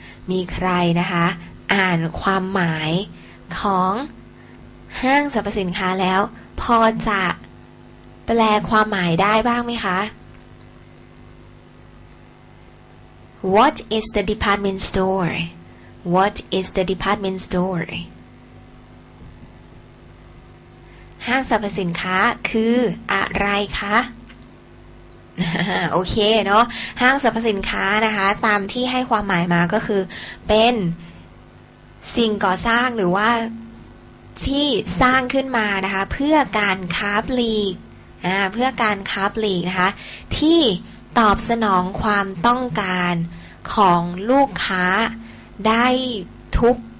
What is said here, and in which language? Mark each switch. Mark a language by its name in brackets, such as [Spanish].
[Thai] มีใครนะคะอ่านความหมายของห้างสรรพสินค้าแล้วพอจะแปลความหมายได้บ้างไหมคะ [English] What is the department store? What is the department store? [Thai] ห้างสรรพสินค้าคืออะไรคะ โอเคเนาะห้างสรรพสินค้านะคะตามที่ให้ความหมายมาก็คือเป็นสิ่งก่อสร้างหรือว่าที่สร้างขึ้นมานะคะเพื่อการค้าปลีกเพื่อการค้าปลีกนะคะที่ตอบสนองความต้องการของลูกค้าได้ทุ